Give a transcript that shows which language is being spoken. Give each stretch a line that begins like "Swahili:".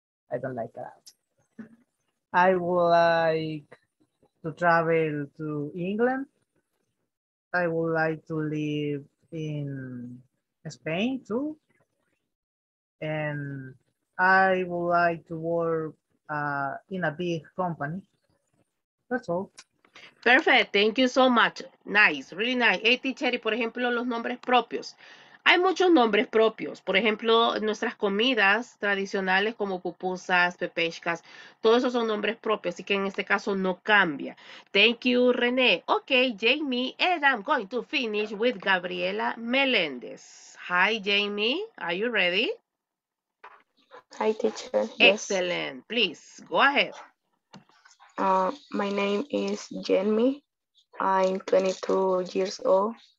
English: I don't like carao. I would like to travel to England. I would like to live in Spain too. And I would like to work in a big company. That's all. Perfect. Thank you so much. Nice. Really nice. Hey, teacher,
Spanish: y por ejemplo, los nombres propios. Hay muchos nombres propios. Por ejemplo, nuestras comidas tradicionales como pupusas, pepechkas, todos esos son nombres propios. Así que en este caso no cambia.
English: Thank you,
Spanish: René.
English: Okay, Jamie, and I'm going to finish with Gabriela Meléndez. Hi, Jamie. Are you ready? Hi, teacher. Excellent. Yes. Please, go ahead. My name is Jenmi. I'm 22 years old.